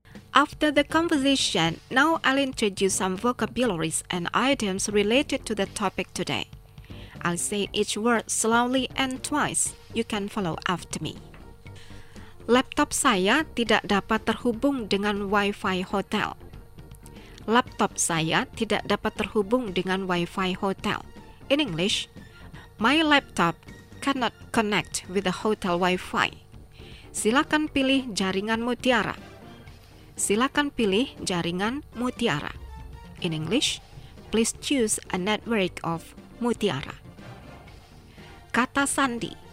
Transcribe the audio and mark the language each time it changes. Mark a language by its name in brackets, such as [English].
[English] After the conversation, now I'll introduce some vocabularies and items related to the topic today. I'll say each word slowly and twice. You can follow after me. [Indonesian] Laptop saya tidak dapat terhubung dengan Wi-Fi hotel. Laptop saya tidak dapat terhubung dengan Wi-Fi hotel. [English] In English, my laptop cannot connect with the hotel Wi-Fi. [Indonesian] Silakan pilih jaringan mutiara. Silakan pilih jaringan mutiara. [English] In English, please choose a network of mutiara. [Indonesian] Kata sandi.